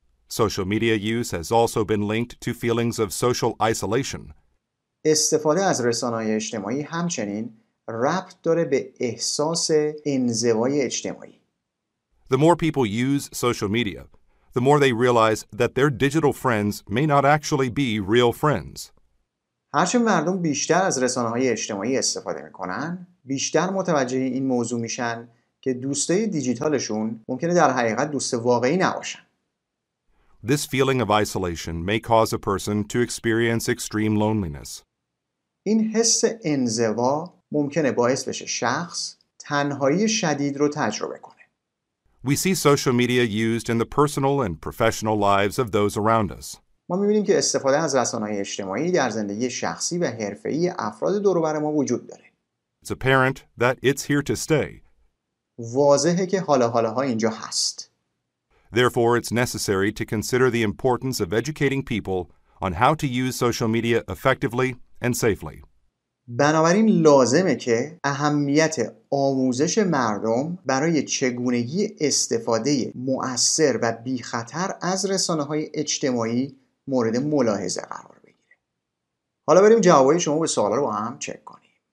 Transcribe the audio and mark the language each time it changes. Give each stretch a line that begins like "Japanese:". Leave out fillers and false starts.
English: Social media use has also been linked to feelings of social isolation.
Persian: استفاده از رسانه‌های اجتماعی همچنین ربط داره به احساس انزوای اجتماعی.
English: The more people use social media, the more they realize that their digital friends may not actually be real friends.
Persian: هرچه مردم بیشتر از رسانه‌های اجتماعی استفاده می‌کنن، بیشتر متوجه این موضوع میشن که دوستای دیجیتالشون ممکنه در حقیقت دوست واقعی نباشن.
English: This feeling of isolation may cause a person to experience extreme loneliness.
Persian: این حس انزوا ممکنه باعث بشه شخص تنهایی شدید رو تجربه کنه.
English: We see social media used in the personal and professional lives of those around us.
Persian: ما می‌بینیم که استفاده از رسانه‌های اجتماعی در زندگی شخصی و حرفه‌ای افراد دوروبر ما وجود داره.
English: It's apparent that it's here to stay.
Persian: واضحه که حالا‌ها اینجا هست.
English: Therefore, it's necessary to consider the importance of educating people on how to use social media effectively and safely.
Persian: بنابراین لازمه که اهمیت آموزش مردم برای چگونگی استفاده مؤثر و بی‌خطر از رسانه‌های اجتماعی مورد ملاحظه قرار بگیره. حالا بریم جوابای شما به سوالا رو با هم چک کنیم.